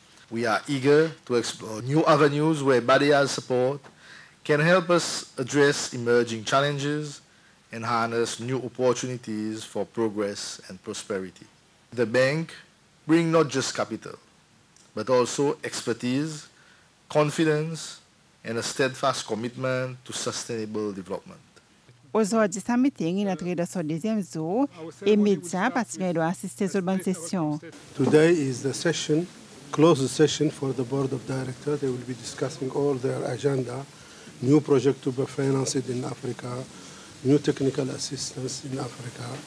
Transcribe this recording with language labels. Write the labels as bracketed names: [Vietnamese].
[English] We are eager to explore new avenues where Badia's support can help us address emerging challenges and harness new opportunities for progress and prosperity. The bank brings not just capital, but also expertise, confidence, and a steadfast commitment to sustainable development. [French] Aujourd'hui, ce meeting est entré dans son deuxième jour et médias partenaires doivent assister sur bonne session. [English] Today is the session, closed session for the board of directors. They will be discussing all their agenda, new project to be financed in Africa, new technical assistance in Africa.